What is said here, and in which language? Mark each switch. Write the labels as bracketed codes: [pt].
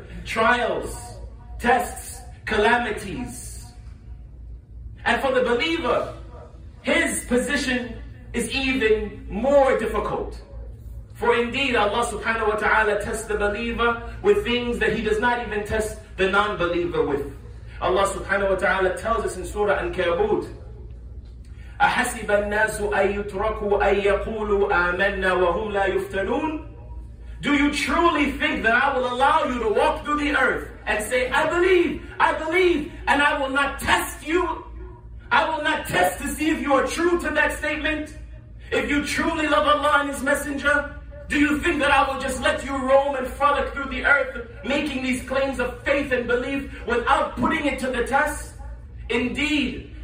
[en] Trials, tests, calamities. And for the believer, his position is even more difficult. For indeed, Allah subhanahu wa ta'ala tests the believer with things that He does not even test the non-believer with. Allah subhanahu wa ta'ala tells us in Surah Al-Kabut, [ar] أَحَسِبَ النَّاسُ أَن يُتْرَكُوا أَن يَقُولُوا آمَنَّا وَهُمْ لَا يُفْتَنُونَ. [en] Do you truly think that I will allow you to walk through the earth and say, I believe, and I will not test you? I will not test to see if you are true to that statement? If you truly love Allah and His Messenger, do you think that I will just let you roam and frolic through the earth making these claims of faith and belief without putting it to the test? Indeed,